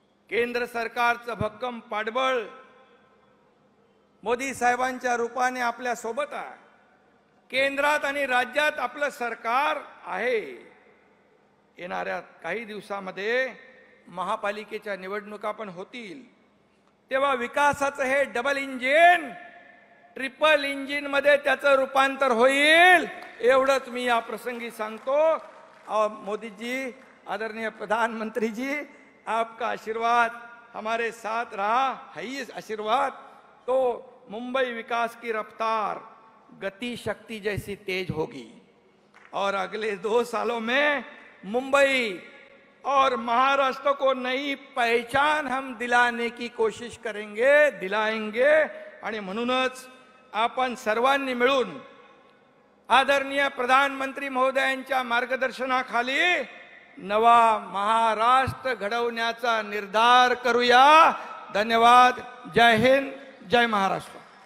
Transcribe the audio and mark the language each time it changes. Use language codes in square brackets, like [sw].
[mr] केंद्र सरकारचं भक्कम पाठबळ मोदी साहेबांच्या रूपाने आपल्या सोबत आहे, केंद्रात आणि राज्यात आपलं सरकार आहे। येणाऱ्या काही दिवसांमध्ये महापालिकेच्या निवडणुका पण होतील, तेव्हा विकासाचं हे डबल इंजिन ट्रिपल इंजिन मध्ये त्याचं रूपांतर होईल, एवढंच मी या प्रसंगी सांगतो। [hi] मोदीजी, आदरणीय प्रधानमंत्रीजी, आपका आशीर्वाद हमारे साथ रहा है, इस आशीर्वाद तो मुंबई विकास की रफ्तार गति शक्ति जैसी तेज होगी। और अगले 2 सालों में मुंबई और महाराष्ट्र को नई पहचान हम दिलाने की कोशिश करेंगे, दिलाएंगे। [mr] आणि म्हणूनच आपण सर्वांनी मिळून आदरणीय प्रधानमंत्री महोदयांच्या मार्गदर्शनाखाली नवा महाराष्ट्र घडवण्याचा निर्धार करूया। धन्यवाद। जय हिंद, जय महाराष्ट्र।